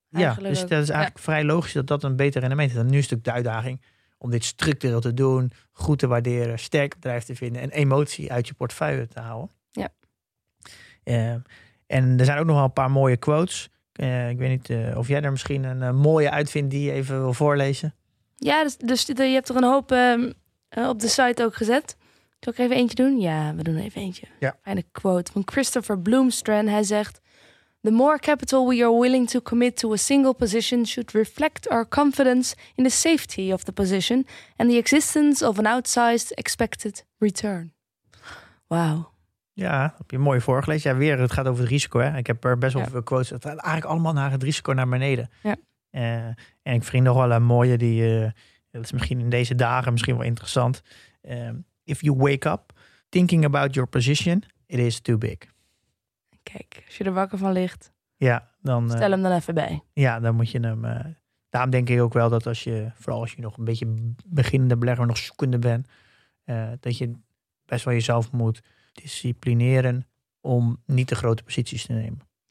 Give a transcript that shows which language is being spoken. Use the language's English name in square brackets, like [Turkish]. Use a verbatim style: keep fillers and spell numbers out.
[Dutch] Ja, dus ook. Dat is eigenlijk ja. vrij logisch dat dat een beter rendement is. Dan nu een stuk de uitdaging om dit structureel te doen, goed te waarderen, sterk bedrijf te vinden en emotie uit je portefeuille te houden. Ja. Uh, en er zijn ook nog wel een paar mooie quotes. Uh, ik weet niet uh, of jij er misschien een uh, mooie uitvindt die je even wil voorlezen. Ja, dus, dus je hebt er een hoop um, uh, op de site ook gezet. Zal ik even eentje doen? Ja, we doen even eentje. Ja. Fijne quote van Christopher Bloomstrand. [English] Hij zegt: "The more capital we are willing to commit to a single position should reflect our confidence in the safety of the position and the existence of an outsized expected return." [Dutch] Wauw. Ja, heb je mooi voorgelezen. Ja, weer, het gaat over het risico. Hè? Ik heb er best wel ja. veel quotes. Het gaat eigenlijk allemaal naar het risico naar beneden. Ja. Uh, en ik vind nog wel een mooie die, uh, dat is misschien in deze dagen misschien wel interessant. [English] Um, if you wake up thinking about your position, it is too big. [Dutch] Kijk, als je er wakker van ligt, ja, dan, stel hem dan even bij. Ja, dan moet je hem. Uh, daarom denk ik ook wel dat als je, vooral als je nog een beetje beginnende belegger, nog zoekende bent, uh, dat je best wel jezelf moet disciplineren om niet de grote posities te nemen.